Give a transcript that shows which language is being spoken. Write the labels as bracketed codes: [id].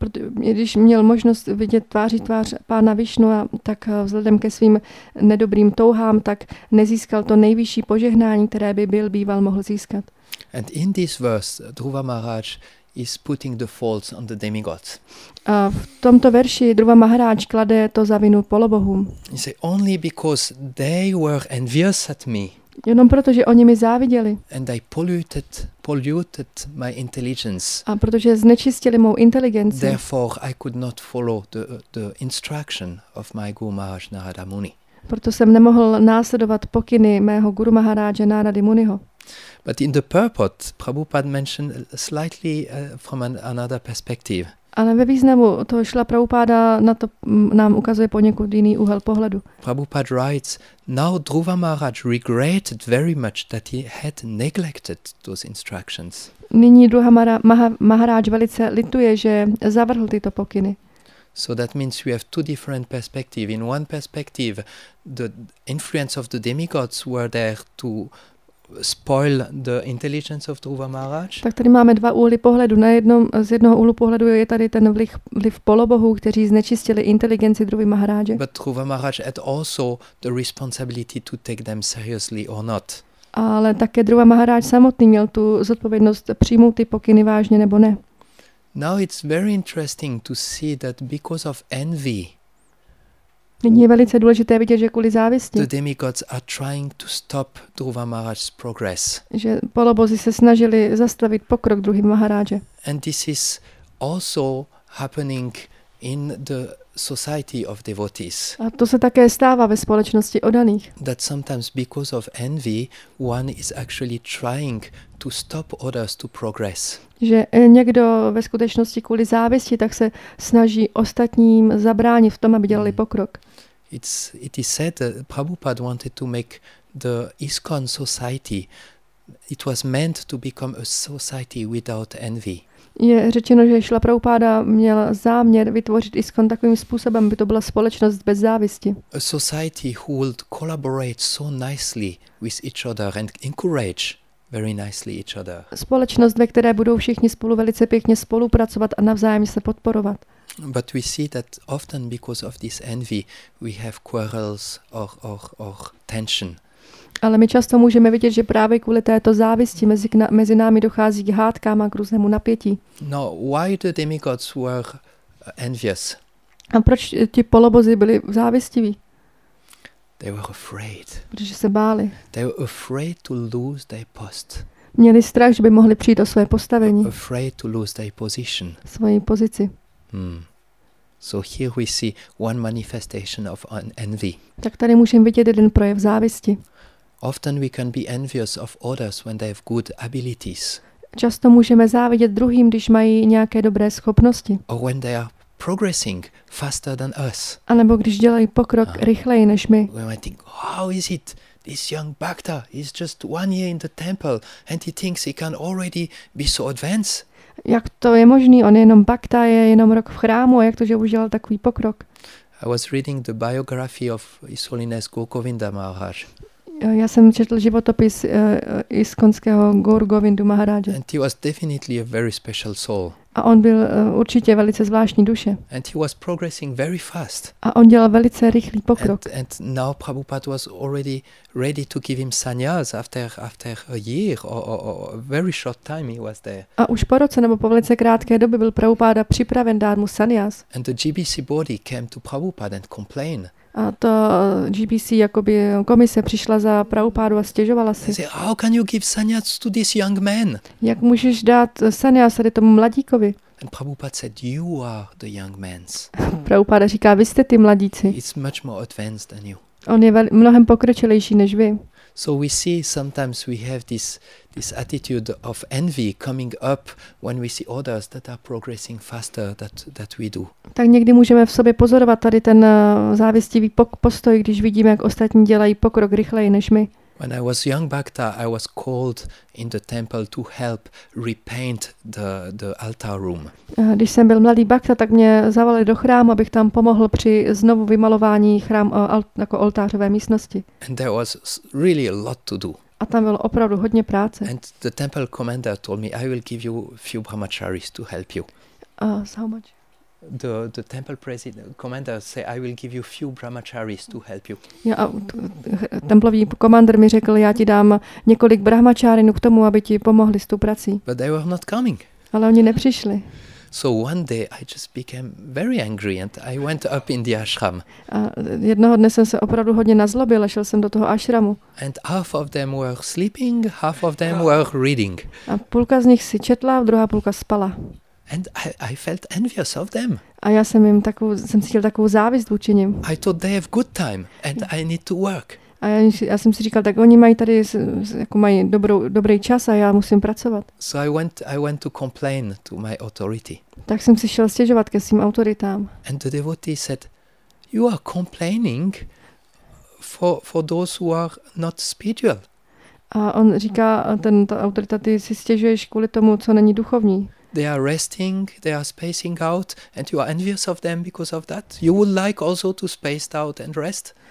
[cs] Když měl možnost vidět tváří tvář pána Vishnu, tak vzhledem ke svým nedobrým touhám, tak nezískal to nejvyšší požehnání, které by byl býval mohl získat. [en] And in this verse, Dhruva Maharaj is putting the faults on the demigods. [cs] A v tomto verši Dhruva Maharaj klade to za vinu polobohům. [en] He say, only because they were envious at me. [cs] Jenom proto, že oni mi záviděli. [en] And I polluted my intelligence. [cs] A protože znečistili mou inteligenci. [en] Therefore I could not follow the instruction of my Guru Maharaj Narada Muni. [cs] Proto jsem nemohl následovat pokyny mého Guru Maharaja Narady Muniho. [en] But in the purport, Prabhupada mentioned slightly from another perspective. [cs] Ale ve významu toho Šrila Prabhupada na to nám ukazuje poněkud jiný úhel pohledu. [en] Prabhupada writes, now Dhruva Maharaj regretted very much that he had neglected those instructions. [cs] Nyní Dhruva Maharaj velice lituje, že zavrhl tyto pokyny. [en] So that means we have two different perspectives. In one perspective, the influence of the demigods were there to spoil the intelligence of Dhruva Maharaj. [cs] Tak tady máme dva úhly pohledu. Z jednoho úhlu pohledu je tady ten vliv polobohů, kteří znečistili inteligenci Dhruvy Maharaje. [en] But Dhruva Maharaj had also the responsibility to take them seriously or not. [cs] Ale také Dhruva Maharaj samotný měl tu zodpovědnost přijmout ty pokyny vážně nebo ne. [en] Now it's very interesting to see that because of envy. [cs] Nyní je velice důležité vidět, že kvůli závisti. [en] The demigods are trying to stop Dhruva Maharaj's progress. [cs] Že polobozy se snažili zastavit pokrok Dhruvy Maharaje. [en] And this is also happening in the society of devotees. [cs] A to se také stává ve společnosti oddaných. [en] That sometimes because of envy, one is actually trying to stop others to progress. [cs] Že někdo ve skutečnosti kvůli závisti tak se snaží ostatním zabránit v tom, aby dělali pokrok. [en] It is said that Prabhupada wanted to make the ISKCON society. It was meant to become a society without envy. [cs] Je řečeno, že Šrila Prabhupada měl záměr vytvořit ISKCON takovým způsobem, aby to byla společnost bez závisti. [en] A society who would collaborate so nicely with each other and encourage very nicely each other. [cs] Společnost, ve které budou všichni spolu velice pěkně spolupracovat a navzájem se podporovat. [en] But we see that often because of this envy we have quarrels or tension. [cs] Ale my často můžeme vidět, že právě kvůli této závisti mezi námi dochází k hádkám a k různému napětí. [en] No, why the demigods were envious? [cs] A proč ti polobozy byli závistiví? [en] They were afraid. [cs] Protože se báli. [en] They were afraid to lose their post. [cs] Měli strach, že by mohli přijít o své postavení. [en] Afraid to lose their position. [cs] Svoji pozici. [en] So here we see one manifestation of envy. [cs] Tak tady můžeme vidět jeden projev závisti. [en] Often we can be envious of others when they have good abilities. [cs] Často můžeme závidět druhým, když mají nějaké dobré schopnosti. [en] Or when they are progressing faster than us. [cs] A nebo když dělají pokrok rychleji než my. [en] We might think, how is it? This young Bhakta is just 1 year in the temple and he thinks he can already be so advanced. [cs] Jak to je možný? On je jenom Bhakta, je jenom rok v chrámu a jak to, že už dělal takový pokrok? [en] I was reading the biography of His Holiness Gokovinda Maharaj. [cs] Já jsem četl životopis iskonského Guru Govindu Maharaja. [en] And he was definitely a very special soul. [cs] A on byl určitě velice zvláštní duše. [en] And he was progressing very fast. [cs] A on dělal velice rychlý pokrok. [en] And now Prabhupada was already ready to give him sannyas after a year or a very short time he was there. [cs] A už po roce nebo po velice krátké době byl Prabhupada připraven dát mu sannyas. [en] And the GBC body came to Prabhupada and complained. [cs] A to GBC, jakoby komise, přišla za Prabhupádu a stěžovala si. [en] Say, how can you give sannyas to this young man? [cs] Jak můžeš dát sannyas tady tomu mladíkovi? [en] And Prabhupada said, you are the young man's. [cs] Prabhupada říká, vy jste ty mladíci. [en] It's much more advanced than you. [cs] On je mnohem pokročilejší než vy. [en] So we see sometimes we have this attitude of envy coming up when we see others that are progressing faster that we do. [cs] Tak někdy můžeme v sobě pozorovat tady ten závistivý postoj, když vidíme, jak ostatní dělají pokrok rychleji než my. [en] When I was young Bhakta, I was called in the temple to help repaint the altar room. [cs] Když jsem byl mladý Bhakta, tak mě zavolali do chrámu, abych tam pomohl při znovu vymalování chrámu jako oltářové místnosti. [en] And there was really a lot to do. [cs] A tam bylo opravdu hodně práce. [en] And the temple commander told me, I will give you a few brahmacharis to help you. How much? The temple president commander say I will give you few brahmacharis to help you. [cs] Já templový komandér mi řekl, já ti dám několik brahmačárinů k tomu, aby ti pomohli s tou prací. [en] But they were not coming. [cs] Ale oni nepřišli. [en] So one day I just became very angry and I went up in the ashram. [cs] A jednoho dne jsem se opravdu hodně nazlobil a šel jsem do toho ashramu. [en] And half of them were sleeping, half of them were reading. [cs] A půlka z nich si četla, a druhá půlka spala. [en] And I felt envious of them. [cs] A já jsem jim jsem cítil takovou závist vůči nim. [en] I thought they have good time and I need to work. [cs] A já jsem si říkal, tak oni mají tady jako mají dobrý čas a já musím pracovat. [en] So I went to complain to my authority. [cs] Tak jsem si šel stěžovat ke svým autoritám. [en] And the devotee said, you are complaining for those who are not spiritual. [cs] A on říká, ta autorita, ty si stěžuješ kvůli tomu, co není duchovní. [en] They are resting, they are spacing out and you are envious of them because of that. You would like also to space out and rest.